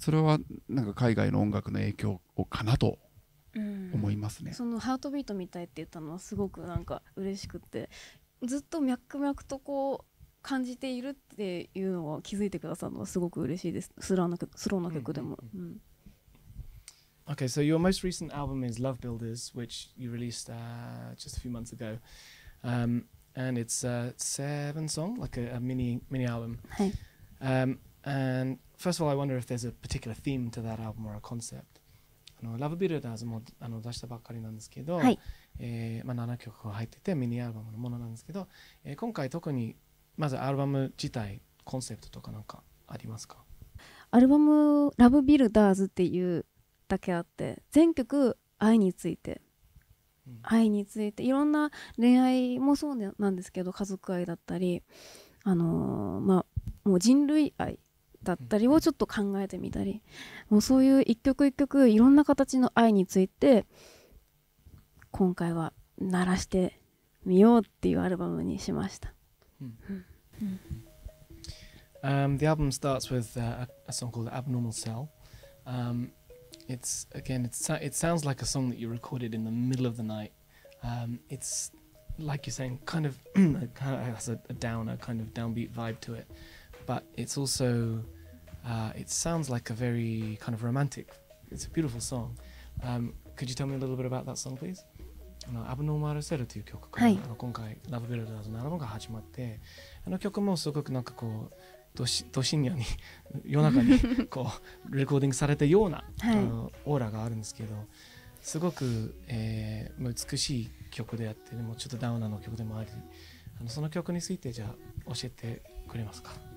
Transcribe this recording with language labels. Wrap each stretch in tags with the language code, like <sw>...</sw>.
<ja>それはなんか海外の音楽の影響かなと思いますね、うん、そのハートビートみたいって言ったのはすごくなんか嬉しくて、ずっと脈々とこう感じているっていうのを気づいてくださるのはすごく嬉しいです、スローな曲でも、</ja> <en>うん、Okay, so your most recent album is Love Builders, which you released just a few months ago, and it's a seven song, like a mini album.</en> <ja>はい。</ja> <en>And first of all, I wonder if there's a particular theme to that album or a concept.</en> <ja>Love Builders もあの出したばっかりなんですけど、はい、まあ、7曲が入っててミニアルバムのものなんですけど、今回特にまずアルバム自体コンセプトとかなんかありますか？アルバムラブビルダーズっていうだけあって、全曲愛について、うん、愛についていろんな恋愛もそうなんですけど、家族愛だったり、まあ、もう人類愛だったりをちょっと考えてみたり、うん、もうそういう一曲一曲いろんな形の愛について今回は鳴らしてみようっていうアルバムにしました。</ja> <en>The album starts with a song called Abnormal Cell. It sounds like a song that you recorded in the middle of the night. It's like you're saying, kind of, kind of has a kind of downbeat vibe to it. But it's also, it sounds like a very kind of romantic. It's a beautiful song. Could you tell me a little bit about that song, please?</en> <ja>アブノーマルセルという曲から、はい、今回ラブビルダーズのアルバムが始まって、あの曲もすごくなんかこうど深夜に夜中にこうレコーディングされたような、はい、オーラがあるんですけど、すごく、美しい曲であって、でもちょっとダウナーの曲でもあり、あのその曲についてじゃあ教えてくれますか？</ja>